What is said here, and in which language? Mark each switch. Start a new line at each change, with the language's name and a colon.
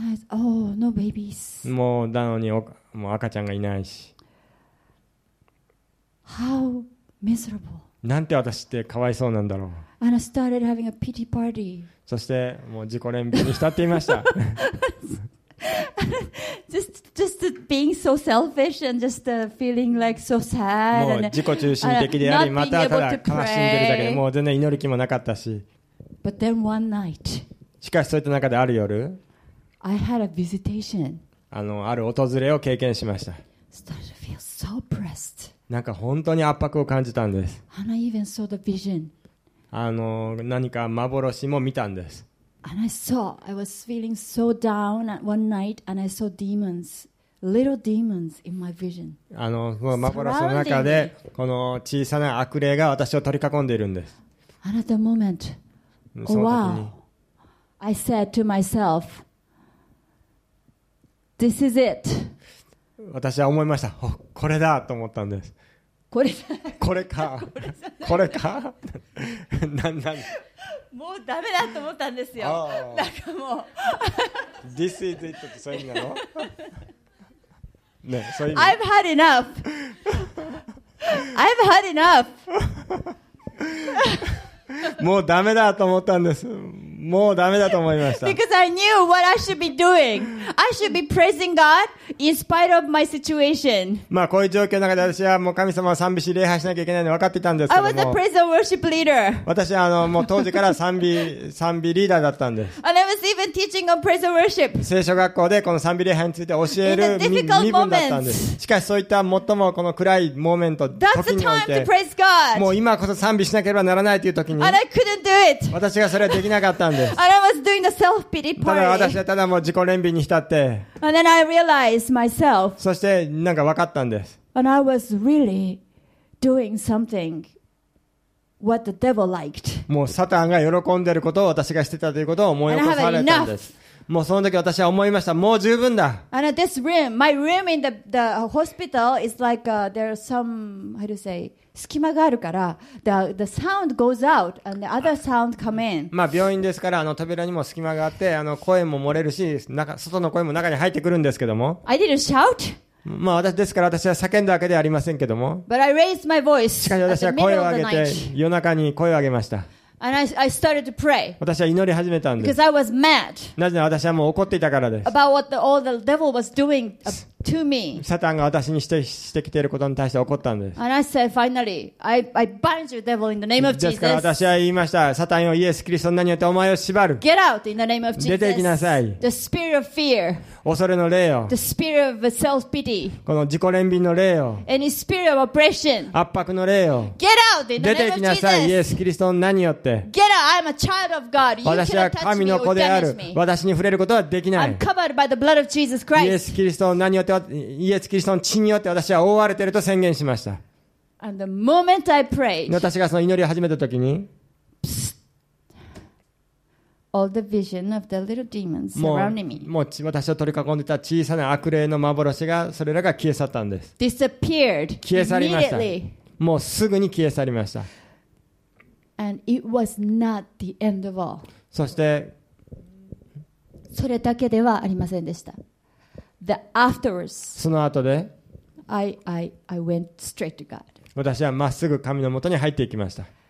English: Oh, no babies.
Japanese: もうなのにもう赤ちゃんがいないし。
English: How miserable.
Japanese: なんて私ってかわいそうなんだろう。
English: And I started having a pity party.
Japanese: そしてもう自己憐憫に浸っていました。
English: just being so selfish and just feeling like so sad.
Japanese: もう自己中心的であり、またただ悲しんでるだけで、もう全然祈る気もなかったし。
English: But then one night.
Japanese: しかしそういった中である夜、
English: I had a visitation.
Japanese: ある訪れを経験しました。
English: Started to feel so pressed.
Japanese: なんか本当に圧迫を感じたんです。
English: And I even saw the vision.
Japanese: 何か幻も見たんです。
English: And I saw, I was feeling so down at one night, and I saw demons, little demons in my vision.
Japanese: その幻の中で、この小さな悪霊が私を取り囲んでいるんです。
English: And at the moment, oh wow, I said to myself, this is it.
Japanese: 私は思いました。これだと思ったんです。これか。これか。これか。何。もうダメだと思ったんですよ。なんかもう。
English: This is it
Japanese: ってそういう意味なの？ね、そういう意
English: 味。I've had enough! I've had enough!
Japanese: もうダメだと思ったんです。もうダメだと思いました。
English: Because I knew what I should be doing. I should be praising God in spite of my situation.
Japanese: まあこういう状況の中で私はもう神様を賛美し礼拝しなきゃいけないの分かっていたんですけども。
English: I was a praise and worship leader.
Japanese: 私はもう当時から賛美リーダーだったんです。
English: And I was even teaching on praise and worship.
Japanese: 聖書学校でこの賛美礼拝について教える身分だったんです。しかしそういった最もこの暗いモーメント、時において、もう今こそ賛美しなければならないという時に、
English: And I couldn't do it.
Japanese: 私がそれはできなかった。
English: And I was doing the self-pity party.
Japanese: ただ私はただもう自己憐憫に浸って。
English: And then I realized myself.
Japanese: そしてなんか分かったんです。
English: And I was really doing something what the devil liked.
Japanese: もうサタンが喜んでることを私がしてたということを思い起こされたんです。もうその時私は思いました。もう十分だ。
English: And at this room, my room in the hospital is like there's some how to say.
Japanese: 隙間があるから
English: the sound goes out and the other sound come in。
Japanese: まあ病院ですから扉にも隙間があって声も漏れるし外の声も中に入ってくるんですけども。
English: I didn't shout。
Japanese: まあ私ですから私は叫んだわけではありませんけども。
English: But I raised my voice。
Japanese: しかし私は声を上げて夜中に声を上げました。
English: And I started to pray。
Japanese: 私は祈り始めたんです。
English: Because I was mad。
Japanese: なぜなら私はもう怒っていたからです。
English: About what all the devil was doing to me。
Japanese: サタンが私にしてきていることに対して怒ったんです。
English: And I said finally, I bind you, devil, in the name of Jesus。
Japanese: ですから私は言いました。サタンをイエス・キリストの名によってお前を縛る。
English: Get out in the name of Jesus。
Japanese: 出て行きなさい。
English: The spirit of fear。
Japanese: 恐れの霊よ。
English: The spirit of self-pity。
Japanese: この自己憐憫の霊よ。
English: Any spirit of oppression。
Japanese: 圧迫の霊よ。
English: Get out in the name of Jesus。
Japanese: 出て行きなさい、イエス・キリストの名によって。
English: Get out! I'm a child of God. You cannot touch me or damage me.
Japanese: 私に触れることはできない。
English: I'm covered by the blood of Jesus Christ.
Japanese: イエス・キリストの名によって、イエス・キリストの血によって私は覆われていると宣言しました。
English: And the moment I prayed,
Japanese: 私がその祈りを始めたときに、
English: all the vision of the little demons surrounding me.
Japanese: もう私を取り囲んでいた小さな悪霊の幻がそれらが消え去ったんです。
English: Disappeared.
Japanese: 消え去りました。もうすぐに消え去りました。
English: And it was not the end of all.
Japanese: そしてそれだけではありませんでした。
English: The afterwards,
Japanese: その後で
English: I went straight to God.
Japanese: 私はまっすぐ神のもとに入っていきました。